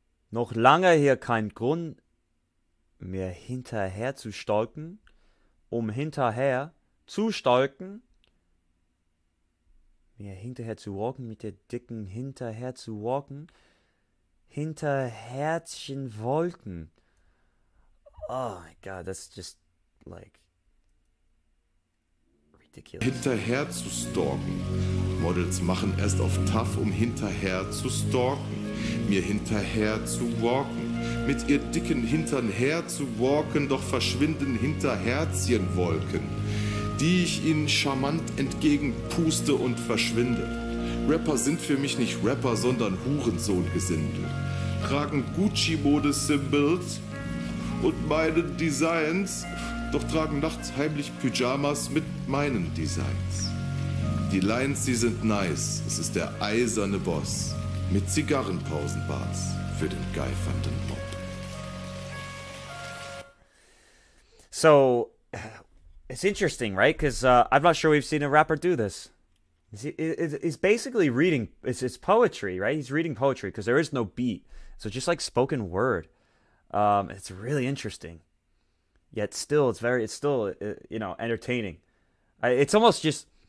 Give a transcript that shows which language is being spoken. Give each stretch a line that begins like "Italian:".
German: Noch lange hier kein Grund, mir hinterher zu stalken, um hinterher zu stalken. Mir hinterher zu walken, mit der dicken hinterher zu walken. Hinter Herzchen Wolken.
English: Oh my god, that's just like ridiculous.
German: Hinterher zu stalken. Models machen erst auf tough, um hinterher zu stalken. Mir hinterher zu walken. Mit ihr dicken Hintern her zu walken, doch verschwinden hinter Herzchen Wolken. Die ich ihnen charmant entgegenpuste und verschwinde. Rapper sind für mich nicht Rapper, sondern Hurensohn-Gesindel. Tragen Gucci-Mode-Symbols und meinen Designs, doch tragen nachts heimlich Pyjamas mit meinen Designs. Die Lines, sie sind nice, es ist der eiserne Boss mit Zigarrenpausenbars für den geifernden Bob.
English: So... It's interesting, right? Because I'm not sure we've seen a rapper do this. He's basically reading. It's poetry, right? He's reading poetry because there is no beat. So just like spoken word. It's really interesting. Yet still, it's still entertaining. It's almost just...